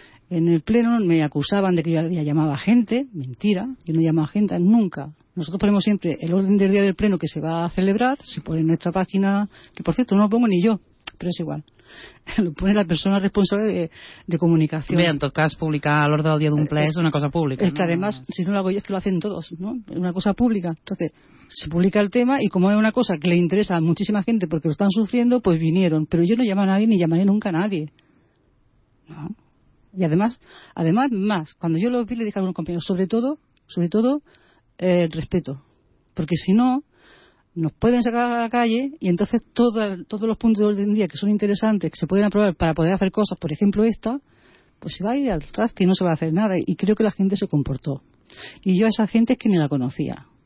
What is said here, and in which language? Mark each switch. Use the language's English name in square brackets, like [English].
[Spanish] En el pleno me acusaban de que yo había llamado a gente. Mentira, yo no he llamado a gente nunca. Nosotros ponemos siempre el orden del día del pleno que se va a celebrar, se pone en nuestra página, que por cierto no lo pongo ni yo, pero es igual. Lo pone la persona responsable de comunicación. [Catalan] Bé, en tot cas, publicar l'ordre del dia d'un ple és una cosa pública. [Spanish] Es que no? Además, si no lo hago yo, es que lo hacen todos, ¿no? Es una cosa pública. Entonces, se publica el tema y como es una cosa que le interesa a muchísima gente porque lo están sufriendo, pues vinieron. Pero yo no llamo a nadie ni llamaré nunca a nadie. ¿No? Y además, más, cuando yo lo vi, le dije a algunos compañeros, sobre todo, el respeto, porque si no nos pueden sacar a la calle y entonces todos los puntos de orden día que son interesantes, que se pueden aprobar para poder hacer cosas, por ejemplo esta, pues se va a ir al traste y no se va a hacer nada, y creo que la gente se comportó, y yo a esa gente es que ni la conocía.